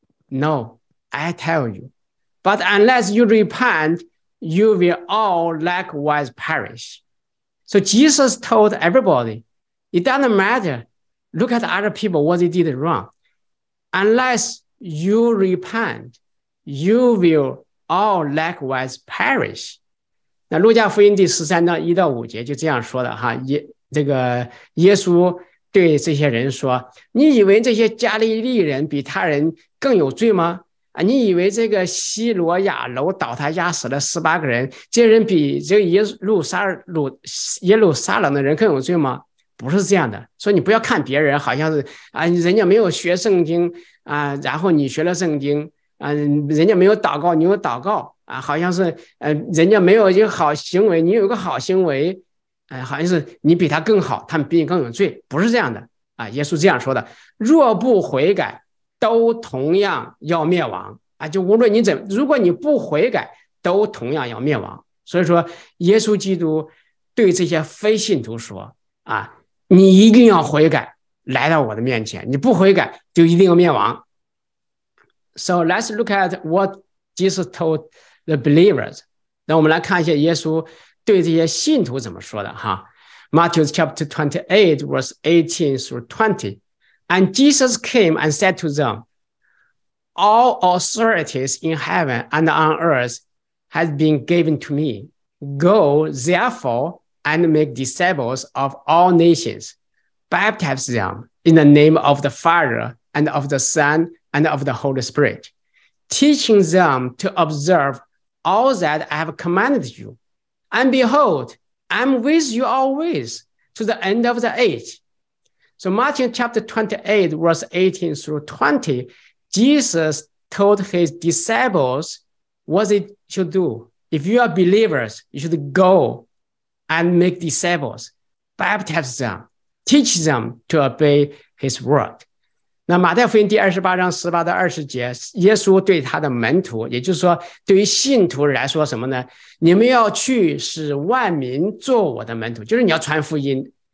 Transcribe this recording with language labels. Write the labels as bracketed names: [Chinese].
[English] No, I tell you. But unless you repent, you will all likewise perish. So Jesus told everybody, it doesn't matter. Look at other people, what they did wrong. Unless you repent, you will all likewise perish. [Chinese] 那路加福音第13章1-5节就这样说的哈，这个耶稣对这些人说，你以为这些加利利人比他人更有罪吗？啊，你以为这个西罗亚楼倒塌压死了18人，这些人比这个耶路撒冷的人更有罪吗？不是这样的，所以你不要看别人好像是啊，人家没有学圣经啊，然后你学了圣经啊，人家没有祷告，你有祷告啊，好像是人家没有一个好行为，你有个好行为，好像是你比他更好，他们比你更有罪，不是这样的啊。耶稣这样说的：若不悔改，都同样要灭亡啊！就无论你怎么，如果你不悔改，都同样要灭亡。所以说，耶稣基督对这些非信徒说啊。你一定要悔改，来到我的面前。你不悔改，就一定要灭亡。 [English] So let's look at what Jesus told the believers. [Chinese] 那我们来看一下耶稣对这些信徒怎么说的哈。 [English] Matthew chapter 28, verse 18 through 20. And Jesus came and said to them, All authorities in heaven and on earth has been given to me. Go, therefore,and make disciples of all nations, baptize them in the name of the Father, and of the Son, and of the Holy Spirit, teaching them to observe all that I have commanded you. And behold, I'm with you always, to the end of the age. So Matthew chapter 28, verse 18 through 20, Jesus told his disciples what they should do. If you are believers, you should go, and make disciples, baptize them, teach them to obey his word. [Chinese] 那马太福音第28章18-20节，耶稣对他的门徒，也就是说对于信徒来说什么呢？你们要去使万民做我的门徒，就是你要传福音，